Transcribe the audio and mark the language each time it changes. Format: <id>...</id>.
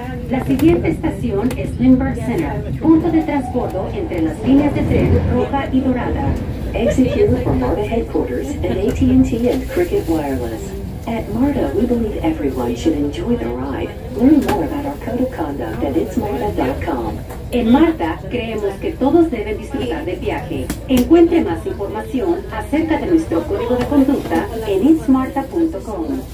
<es>La siguiente estación es Lindbergh Center, punto de transbordo entre las líneas de tren roja y dorada.</es> <en>Exit here for MARTA headquarters and AT&T and Cricket Wireless. At MARTA, we believe everyone should enjoy the ride. Learn more about our code of conduct at itsmarta.com.</en> <es>En MARTA, creemos que todos deben disfrutar del viaje. Encuentre más información acerca de nuestro código de conducta en itsmarta.com.</es>